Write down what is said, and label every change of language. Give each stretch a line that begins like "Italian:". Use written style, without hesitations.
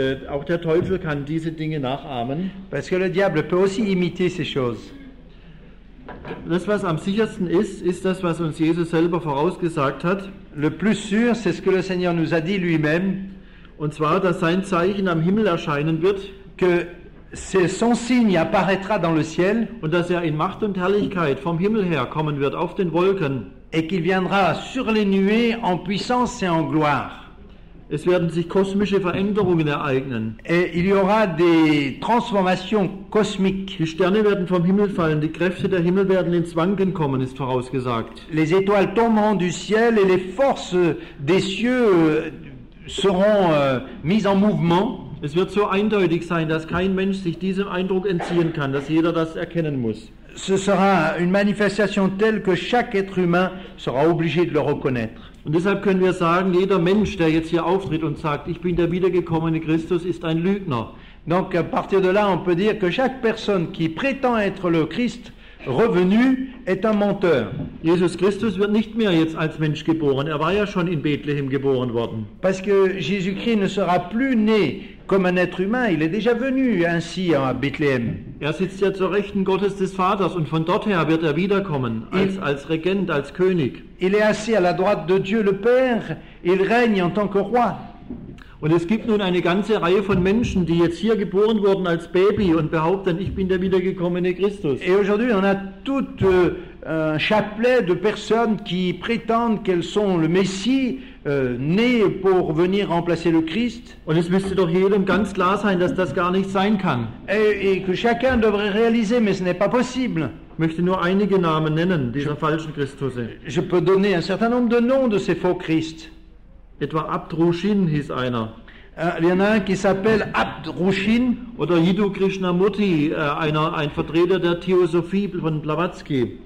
German: Auch der Teufel kann diese Dinge nachahmen.
French: Parce que le diable peut aussi imiter ces choses.
German: Das, was am sichersten ist, ist das, was uns Jesus selber vorausgesagt hat.
French: Le plus sûr, c'est ce que le Seigneur nous a dit lui-même.
German: Und zwar, dass sein Zeichen am Himmel erscheinen wird.
French: Que c'est son signe apparaîtra dans le ciel.
German: Und dass er in Macht und Herrlichkeit vom Himmel her kommen wird, auf den Wolken.
French: Et qu'il viendra sur les nuées en puissance et en gloire.
German: Es werden sich kosmische Veränderungen ereignen.
French: Et il y aura des transformations cosmiques.
German: Die Sterne werden vom Himmel fallen, die Kräfte der Himmel werden ins Wanken kommen, ist vorausgesagt.
French: Les étoiles tomberont du ciel et les forces des cieux seront mises en mouvement.
German: Es wird so eindeutig sein, dass kein Mensch sich diesem Eindruck entziehen kann, dass jeder das erkennen muss.
French: Ce sera une manifestation telle que chaque être humain sera obligé de le reconnaître.
German: Und deshalb können wir sagen, jeder Mensch, der jetzt hier auftritt und sagt, ich bin der wiedergekommene Christus, ist ein Lügner.
French: Donc à partir de là, on peut dire que chaque personne qui prétend être le Christ revenu est un menteur.
German: Jesus Christus wird nicht mehr jetzt als Mensch geboren. Er war ja schon in Bethléem geboren worden.
French: Parce que Jésus-Christ ne sera plus né comme un être humain, il est déjà venu ainsi à Bethléem.
German: Er sitzt ja zur Rechten Gottes des Vaters und von dort her wird er wiederkommen, als Regent, als König.
French: Il est assis à la droite de Dieu le Père, il règne en tant que roi.
German: Und es gibt nun eine ganze Reihe von Menschen, die jetzt hier geboren wurden als Baby und behaupten, ich bin der wiedergekommene Christus.
French: Et aujourd'hui, on a tout un chapelet de personnes qui prétendent qu'elles sont le Messie, né pour venir remplacer le Christ.
German: Und es müsste doch jedem ganz klar sein, dass das gar nicht sein kann.
French: Et que chacun devrait réaliser, mais ce n'est pas possible.
German: Ich möchte nur einige Namen nennen, dieser falschen Christus.
French: Je peux donner un certain nombre de noms de ces faux Christ.
German: Etwa Abdrushin hieß einer.
French: Il y en a un qui s'appelle Abdrushin.
German: Oder Yidu Krishnamurti, ein Vertreter der Theosophie von Blavatsky.